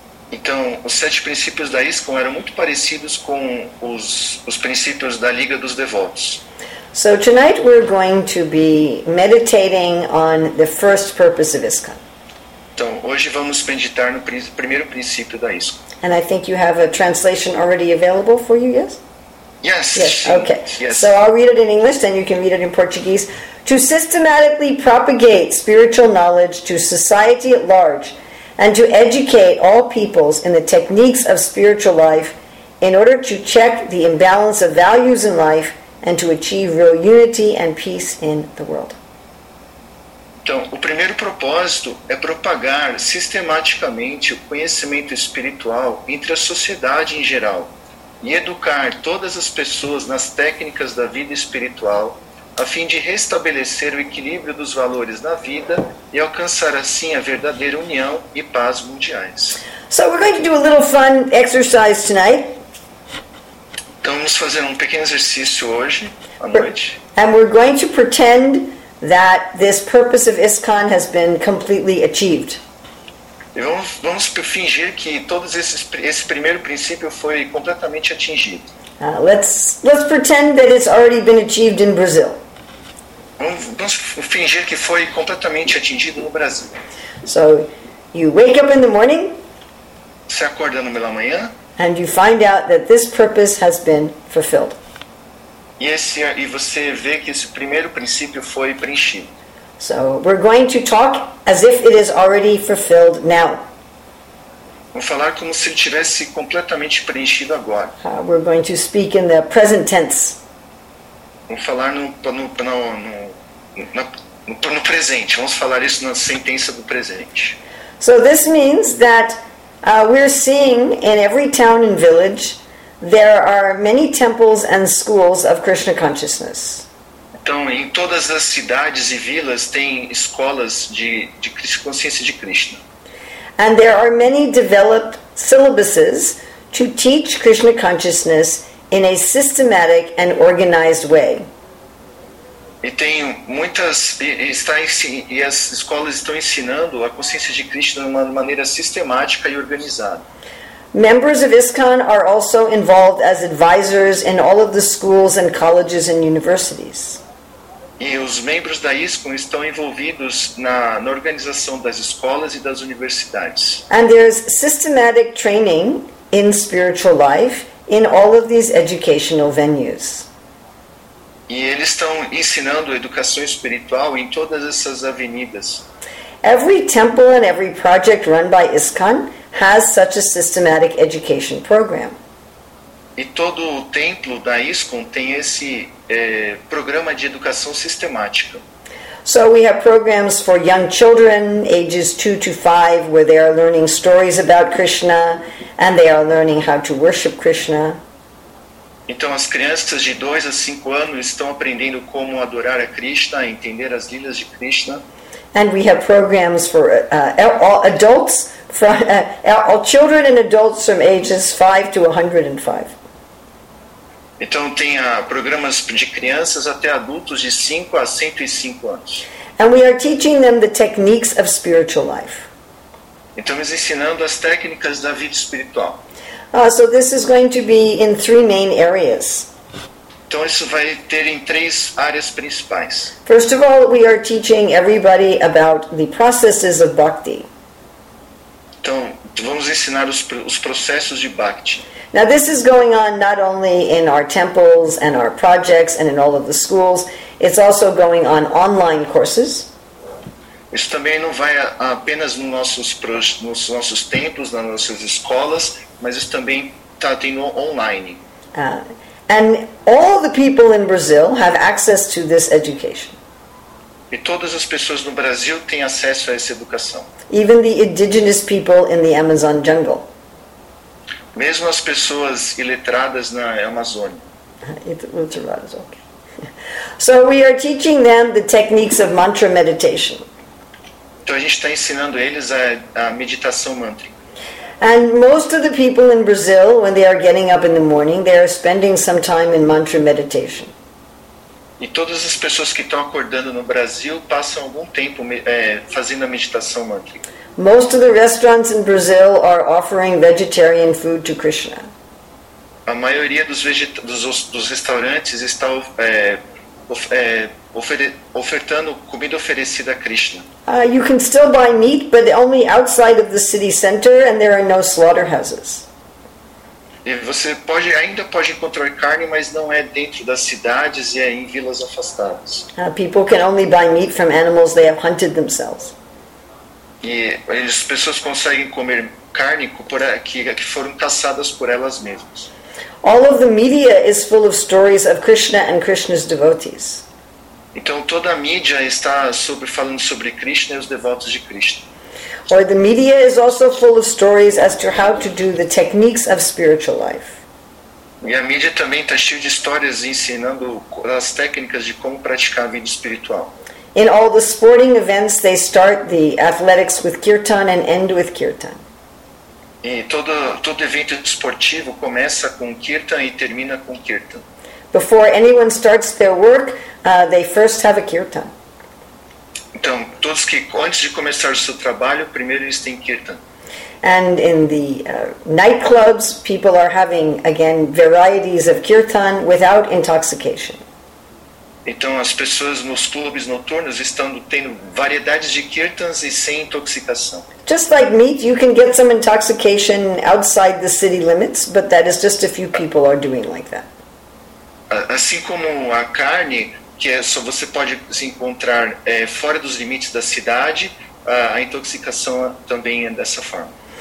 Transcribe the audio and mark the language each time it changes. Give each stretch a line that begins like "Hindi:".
Portuguese: Então, os sete princípios da ISKCON eram muito parecidos com os princípios da Liga dos Devotos.
English: So tonight we're going to be meditating on the first purpose of ISKCON.
Portuguese: Então, hoje vamos meditar no primeiro princípio da ISKCON.
English: And I think you have a translation already available for you, yes? Yes. Okay. Yes. So I'll read it in English, then you can read it in Portuguese. To systematically propagate spiritual knowledge to society at large and to educate all peoples in the techniques of spiritual life in order to check the imbalance of values in life and to achieve real unity and peace in the world.
Portuguese: Então, o primeiro propósito é propagar sistematicamente o conhecimento espiritual entre a sociedade em geral e educar todas as pessoas nas técnicas da vida espiritual a fim de restabelecer o equilíbrio dos valores na vida e alcançar assim a verdadeira união e paz mundiais.
English: So we're going to do a little fun exercise tonight.
Portuguese: Então vamos fazer um pequeno exercício hoje à noite.
English: And we're going to pretend that this purpose of ISKCON has been completely achieved.
Portuguese: E vamos fingir que todos esse primeiro princípio foi completamente atingido.
English: Let's pretend that it's already been achieved in Brazil.
Portuguese: Vamos fingir que foi completamente atingido no Brasil.
English: So you wake up in the morning.
Portuguese: Você acorda pela manhã.
English: And you find out that this purpose has been fulfilled.
Portuguese: E você vê que esse primeiro princípio foi preenchido.
English: So we're going to talk as if it is already fulfilled now.
Portuguese: Vamos falar como se ele tivesse completamente preenchido agora.
English: We're going to speak in the present tense.
Portuguese: Vamos falar no presente. Vamos falar isso na sentença do presente.
English: So this means that we're seeing in every town and village there are many temples and schools of Krishna consciousness.
Portuguese: Então, em todas as cidades e vilas tem escolas de consciência de Krishna.
English: And there are many developed syllabuses to teach Krishna consciousness in a systematic and organized way.
Portuguese: E tem muitas e as escolas estão ensinando a consciência de Krishna de uma maneira sistemática e organizada.
English: Members of ISKCON are also involved as advisors in all of the schools and colleges and universities.
Portuguese: E os membros da ISKCON estão envolvidos na organização das escolas e das universidades.
English: And there's systematic training in spiritual life in all of these educational venues.
Portuguese: E eles estão ensinando educação espiritual em todas essas avenidas.
English: Every temple and every project run by ISKCON has such a systematic education program.
Portuguese: E todo o templo da ISKCON tem esse programa de educação sistemática.
English: So we have programs for young children, ages 2 to 5, where they are learning stories about Krishna, and they are learning how to worship Krishna.
Portuguese: Então as crianças de 2 a 5 anos estão aprendendo como adorar a Krishna, entender as lilas de Krishna.
English: And we have programs for adults, all children and adults from ages 5 to 105.
Portuguese: Então tem programas de crianças até adultos de 5 a 105 anos.
English: And we are teaching them the techniques of spiritual life.
Portuguese: Estamos ensinando as técnicas da vida espiritual.
English: So this is going to be in 3 main areas.
Portuguese: Então isso vai ter em 3 áreas principais.
English: First of all, we are teaching everybody about the processes of bhakti.
Portuguese: Então vamos ensinar os processos de bhakti.
English: Now this is going on not only in our temples and our projects and in all of the schools, it's also going on online courses.
Portuguese: Isso também não vai apenas nos nossos templos, nas nossas escolas, mas isso também está tendo online.
English: And all the people in Brazil have access to this education.
Portuguese: E todas as pessoas no Brasil têm acesso a essa educação.
English: Even the indigenous people in the Amazon jungle.
Portuguese: Mesmo as pessoas iletradas na Amazônia.
English: Okay. So we are teaching them the techniques of mantra meditation.
Portuguese: Então a gente está ensinando eles a meditação mantrica.
English: And most of the people in Brazil, when they are getting up in the morning, they are spending some time in mantra meditation.
Portuguese: E todas as pessoas que estão acordando no Brasil passam algum tempo fazendo a meditação mantrica.
English: Most of the restaurants in Brazil are offering vegetarian food to Krishna.
Portuguese: A maioria dos restaurantes está ofertando comida oferecida a Krishna.
English: You can still buy meat, but only outside of the city center, and there are no slaughterhouses.
Portuguese: E você ainda pode encontrar carne, mas não é dentro das cidades e é em vilas afastadas.
English: People can only buy meat from animals they have hunted themselves.
Portuguese: E as pessoas conseguem comer carne que foram caçadas por elas mesmas.
English: All of the media is full of stories of Krishna and Krishna's devotees.
Portuguese: Então toda a mídia está falando sobre Krishna e os devotos de Krishna.
English: Or the media is also full of stories as to how to do the techniques of spiritual life.
Portuguese: E a mídia também está cheia de histórias ensinando as técnicas de como praticar a vida espiritual.
English: In all the sporting events, they start the athletics with kirtan and end with kirtan.
Portuguese: E todo evento esportivo começa com kirtan e termina com kirtan.
English: Before anyone starts their work, they first have a kirtan.
Portuguese: Então, todos que antes de começar o seu trabalho, primeiro eles têm kirtan.
English: And in the nightclubs, people are having again varieties of kirtan without intoxication.
Portuguese: Então as pessoas nos clubes noturnos estão tendo variedades de kirtans e sem intoxicação.
English: Just like meat, you can get some intoxication outside the city limits, but that is just a few people are doing like that.
Portuguese: Assim como a carne, que é só você pode se encontrar fora dos limites da cidade, a intoxicação também é dessa forma.